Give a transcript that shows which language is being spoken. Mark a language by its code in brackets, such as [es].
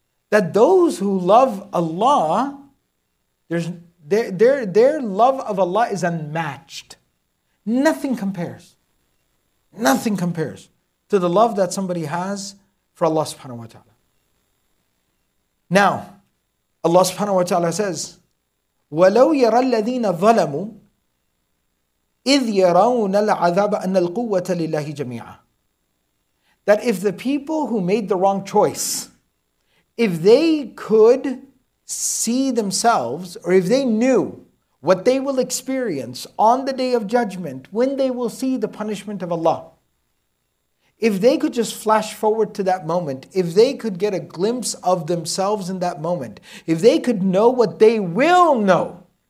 [en] That those who love Allah, their love of Allah is unmatched. Nothing compares. Nothing compares to the love that somebody has for Allah subhanahu wa ta'ala. Now, Allah subhanahu wa ta'ala says, [ar] وَلَوْ يَرَى الَّذِينَ ظَلَمُوا إِذْ يَرَوْنَ الْعَذَابَ أَنَّ الْقُوَّةَ لِلَّهِ جَمِيعًا. [en] That if the people who made the wrong choice, if they could see themselves, or if they knew what they will experience on the Day of Judgment, when they will see the punishment of Allah, If they could just flash forward to that moment, if they could get a glimpse of themselves in that moment, if they could know what they will know,